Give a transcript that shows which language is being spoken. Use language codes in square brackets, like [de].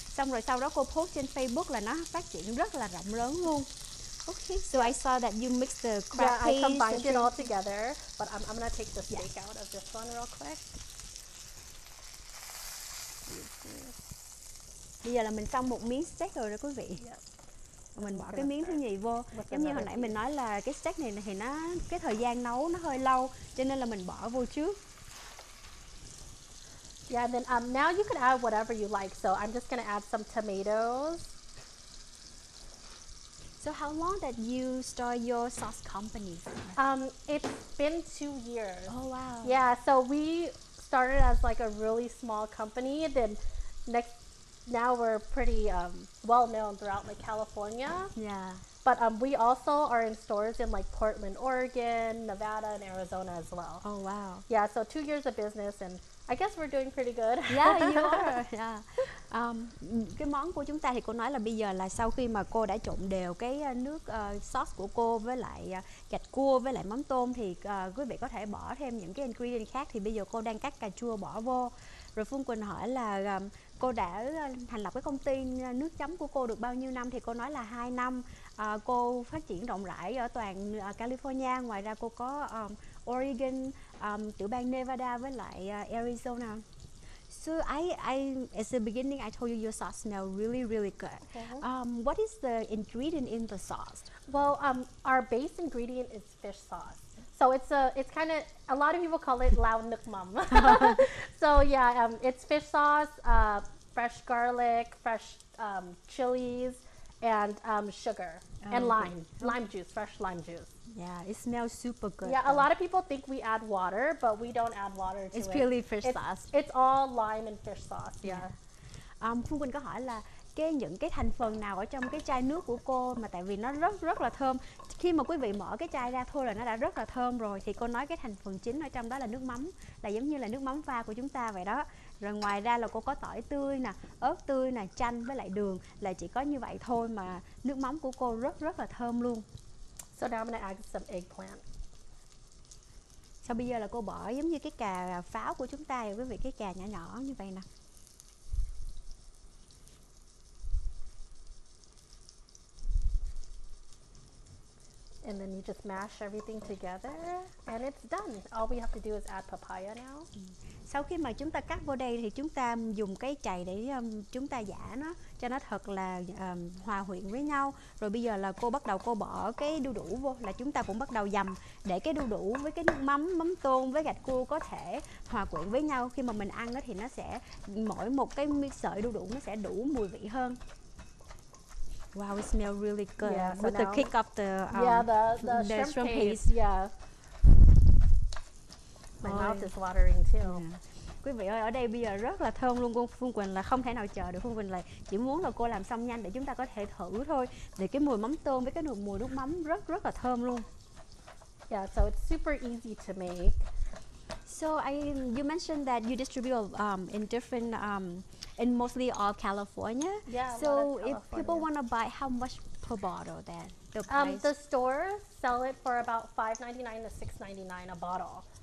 [vi] Xong rồi sau đó cô post trên Facebook là nó phát triển rất là rộng lớn luôn. [en] Okay, so I saw that you mixed the crackies. Yeah, I combined it all together, but I'm gonna take the steak out of this one real quick. [vi] Bây giờ là mình xong một miếng steak rồi đó quý vị. [en] Yep. [vi] Mình bỏ cái miếng thứ nhì vô. Giống như hồi nãy mình nói là cái steak này thì nó cái thời gian nấu nó hơi lâu, cho nên là mình bỏ vô trước. [en] Yeah, and then now you can add whatever you like. So I'm just gonna add some tomatoes. So how long did you start your sauce company? It's been 2 years. Oh wow. Yeah, so we started as like a really small company, then now we're pretty well known throughout like California. Yeah. But we also are in stores in like Portland, Oregon, Nevada, and Arizona as well. Oh wow. Yeah, so 2 years of business and I guess we're doing pretty good. Yeah, you are. Yeah. [vi] Cái món của chúng ta thì cô nói là bây giờ là sau khi mà cô đã trộn đều cái nước sauce của cô với lại gạch cua với lại mắm tôm thì quý vị có thể bỏ thêm những cái ingredient khác, thì bây giờ cô đang cắt cà chua bỏ vô. Rồi Phương Quỳnh hỏi là cô đã thành lập cái công ty nước chấm của cô được bao nhiêu năm, thì cô nói là 2 năm. Cô phát triển rộng rãi ở toàn California, ngoài ra cô có Oregon, tiểu bang Nevada với lại Arizona. [en] So I at the beginning I told you your sauce smell really really good. Okay. What is the ingredient in the sauce? Well, our base ingredient is fish sauce. So it's a lot of people call it lao nuoc mam. So yeah, it's fish sauce, fresh garlic, fresh chilies, and sugar and lime, okay. Lime juice, fresh lime juice. Yeah, it smells super good. Yeah, a lot of people think we add water, but we don't add water to it's purely fish it's, sauce. It's all lime and fish sauce. Yeah. [vi] Phương Quỳnh có hỏi là cái những cái thành phần nào ở trong cái chai nước của cô, mà tại vì nó rất rất là thơm, khi mà quý vị mở cái chai ra thôi là nó đã rất là thơm rồi. Thì cô nói cái thành phần chính ở trong đó là nước mắm, là giống như là nước mắm pha của chúng ta vậy đó. Rồi ngoài ra là cô có tỏi tươi nè, ớt tươi nè, chanh với lại đường, là chỉ có như vậy thôi mà nước mắm của cô rất rất là thơm luôn. [en] So now I'm gonna add some eggplant. [vi] So bây giờ là cô bỏ giống như cái cà pháo của chúng ta, quý vị, cái cà nhỏ nhỏ như vậy nè. [en] And then you just mash everything together and it's done. All we have to do is add papaya now. [vi] Sau khi mà chúng ta cắt vô đây thì chúng ta dùng cái chày để chúng ta giã nó cho nó thật là hòa quyện với nhau. Rồi bây giờ là cô bắt đầu cô bỏ cái đu đủ vô, là chúng ta cũng bắt đầu dầm để cái đu đủ với cái nước mắm, mắm tôm với gạch cua có thể hòa quyện với nhau. Khi mà mình ăn đó thì nó sẽ mỗi một cái sợi đu đủ nó sẽ đủ mùi vị hơn. [en] Wow, it smells really good. Yeah, with so the now, kick of the the shrimp paste. Yeah. My mouth is watering too. Yeah. [vi] Quý vị ơi, ở đây bây giờ rất là thơm luôn. Phương Quỳnh là không thể nào chờ được. Phương Quỳnh là chỉ muốn là cô làm xong nhanh để chúng ta có thể thử thôi. Để cái mùi mắm tôm với cái mùi nước mắm rất rất là thơm luôn. [en] Yeah, so it's super easy to make. So you mentioned that you distribute in different in mostly all California. Yeah. So if people want to buy, how much per bottle then? The price? The stores sell it for about $5.99 to $6.99 a bottle.